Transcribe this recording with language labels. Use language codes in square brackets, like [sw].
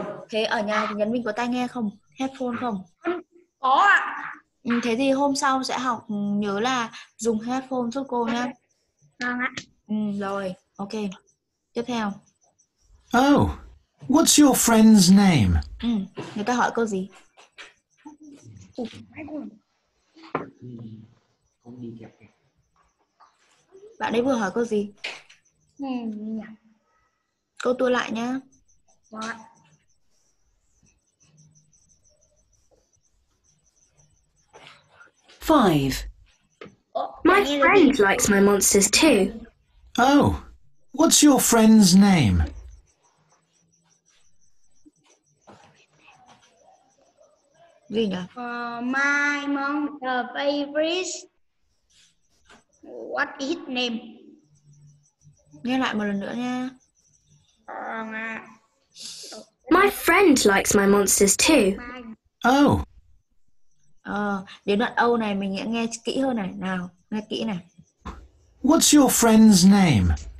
[vi] Thế ở nhà thì Nhật Minh có tai nghe không? Headphone không? Có ạ. Thế thì hôm sau sẽ học nhớ là dùng headphone giúp cô nhé. Vâng ạ. Rồi, ok. Tiếp theo. [en] Oh, what's your friend's name? [vi] Người ta hỏi câu gì? Bạn ấy vừa hỏi câu gì? Câu tua lại nhá. [en] What? 5. My friend likes my monsters too. Oh, what's your friend's name? Lena. My monster favorites. What is his name? [vi] Nghe lại một lần nữa nha. [en] My friend likes my monsters too. Oh. [vi] Đến đoạn Âu này mình sẽ nghe kỹ hơn này. Nào, nghe kỹ này. [en] What's your friend's name?